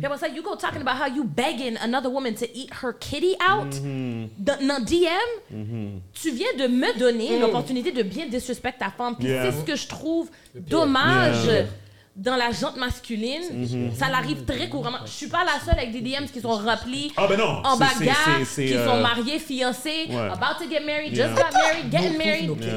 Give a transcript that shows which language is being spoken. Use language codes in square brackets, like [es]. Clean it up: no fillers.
[en] People say you go talking about how you begging another woman to eat her kitty out. [fr] Mm-hmm. Dans DM, mm-hmm. tu viens de me donner l'opportunité de bien disrespect ta femme. Puis yeah. c'est ce que je trouve dommage dans la gente masculine. Mm-hmm. Ça l'arrive très couramment. Je suis pas la seule avec des DMs qui sont remplis en bagarre, qui sont mariés, fiancés, ouais. [en] about to get married, yeah. just got married, getting married.